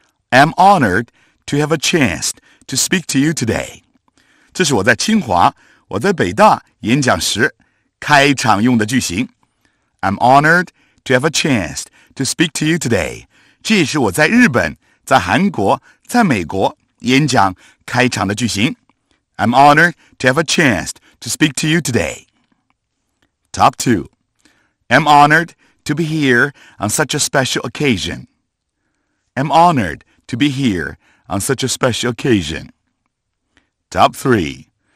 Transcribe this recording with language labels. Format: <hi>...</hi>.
<en>I'm honored to have a chance to speak to you today.</en> <zh>这是我在清华、我在北大演讲时开场用的句型。</zh> <en>I'm honored to have a chance to speak to you today.</en> <zh>这也是我在日本、在韩国、在美国演讲开场的句型。</zh> <en>I'm honored to have a chance to speak to you today. Top 2. I'm honored to be here on such a special occasion. I'm honored to be here on such a special occasion. Top 3.</en>